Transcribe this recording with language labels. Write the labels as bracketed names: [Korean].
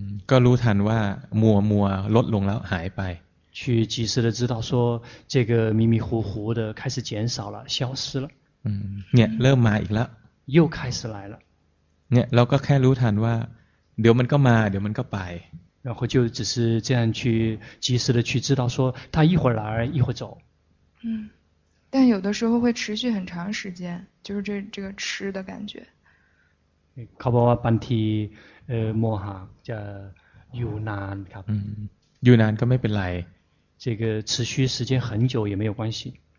[Thai] ก็รู้ทันว่ามัวลดลงแล้วหายไป [Chinese] 去及时的知道说这个迷迷糊糊的开始减少了消失了 [Thai] เนี่ยเริ่มมาอีกแล้ว [Chinese] 又开始来了 [Thai] เนี่ยเราก็แค่รู้ทันว่าเดี๋ยวมันก็มาเดี๋ยวมันก็ไป [Chinese] 然后就只是这样去及时的去知道说他一会儿来一会儿走但有的时候会持续很长时间就是这个痴的感觉 [Thai] เขาบอกว่าบางทีโมหะจะอยู่นานครับ อยู่นานก็ไม่เป็นไร [Chinese] 这个持续时间很久也没有关系